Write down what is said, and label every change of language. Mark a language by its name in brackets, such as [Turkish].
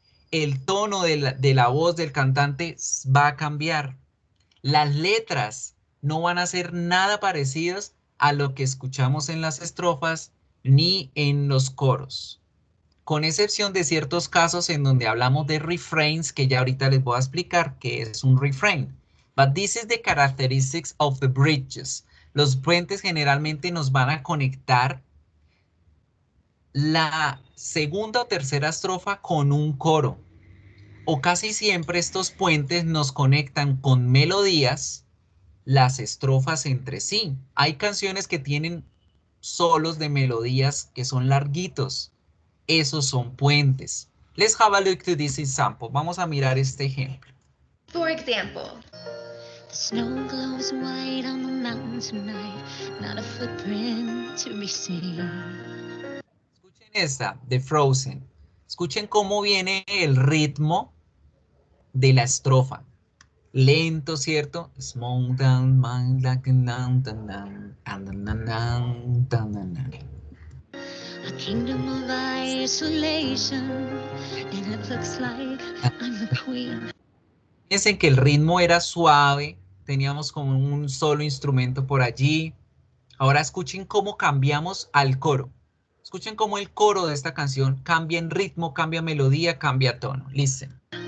[Spanish] El tono de la voz del cantante va a cambiar. Las letras no van a ser nada parecidas a lo que escuchamos en las estrofas ni en los coros. Con excepción de ciertos casos en donde hablamos de refrains, que ya ahorita les voy a explicar qué es un refrain. [English] But this is the characteristics of the bridges. [Spanish] Los puentes generalmente nos van a conectar la segunda o tercera estrofa con un coro. O casi siempre estos puentes nos conectan con melodías las estrofas entre sí. Hay canciones que tienen solos de melodías que son larguitos. Esos son puentes. [English] Let's have a look to this example. [Spanish] Vamos a mirar este ejemplo. [English] For example. The snow glows white on the mountain tonight. Not a footprint to be seen. [Spanish] Escuchen esta de Frozen. Escuchen cómo viene el ritmo de la estrofa. Lento, ¿cierto? [English] A kingdom of isolation, and it looks like I'm the queen. [Spanish] Fíjense que el ritmo era suave, teníamos como un solo instrumento por allí. Ahora escuchen cómo cambiamos al coro. Escuchen cómo el coro de esta canción cambia en ritmo, cambia melodía, cambia tono. Listen.